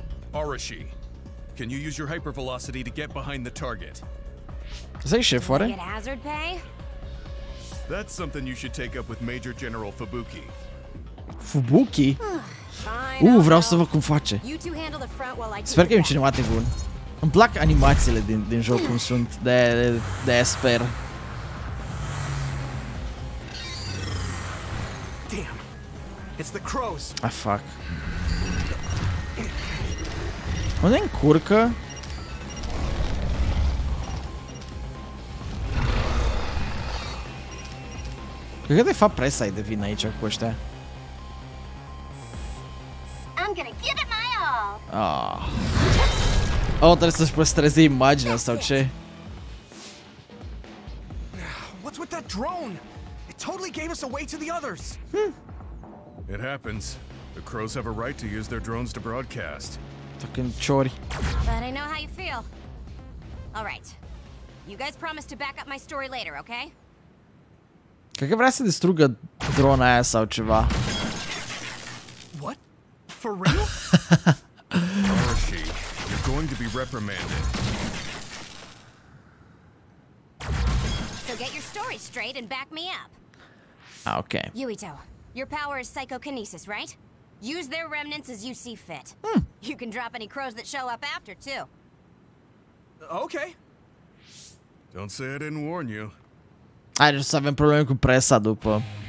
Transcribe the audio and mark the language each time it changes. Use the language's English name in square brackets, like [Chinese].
[English] Arashi, can you use your hypervelocity to get behind the target? [Romanian] Zai șef, oare? [English] Can you get hazard pay? That's something you should take up with Major General Fubuki. [Romanian] Fubuki? Vreau să văd cum face. Sper că e un cinematic bun. Îmi plac animațiile din joc cum sunt, de sper. [English] Damn. It's the crows. Ah, fuck. [Romanian] Unde încurcă? Cred că de fapt presa e de vină aici cu ăștia. [English] I'm gonna give it my all. [Romanian] Oh, trebuie să-și păstreze imaginea sau ce? [English] What's with that drone? It totally gave us away to the others. It happens. The crows have a right to use their drones to broadcast. Fucking chori. But I know how you feel. All right. You guys promise to back up my story later, okay? [Romanian] Cred că vrea să distrugă drona aia sau ceva. [English] What? For real? Arashi, you're going to be reprimanded. So get your story straight and back me up. Okay. Yuito, your power is psychokinesis, right? Use their remnants as you see fit. You can drop any crows that show up after, too. Okay. Don't say I didn't warn you. [Romanian] Hai, să avem probleme cu presa după.